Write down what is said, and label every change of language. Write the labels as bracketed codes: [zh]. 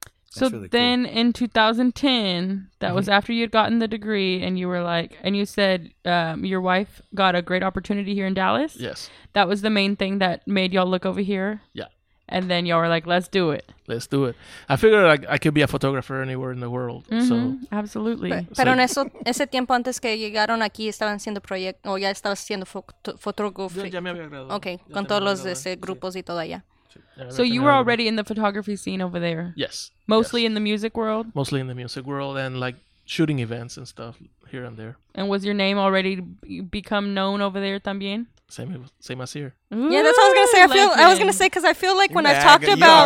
[en] So really then cool. In 2010, that was after you had gotten the degree and you were like, and you said your wife got a great opportunity here in Dallas. Yes. That was the main thing that made y'all look over here. Yeah. And then y'all were like, let's do it. Let's do it. I figured like I could be a photographer anywhere in the world. So absolutely. [es] Pero en eso, ese tiempo antes que llegaron aquí, estaban haciendo proyecto, o ya estabas haciendo fotógrafo. Yo ya me había graduado. Okay, con todos los grupos y todo allá. [en] So you were already in the photography scene over there? Yes. Mostly in the music world? Mostly in the music world and like shooting events and stuff here and there. And was your name already become known over there también? Same as here. Ooh, yeah, that's what I was going to say. I feel like I've talked about...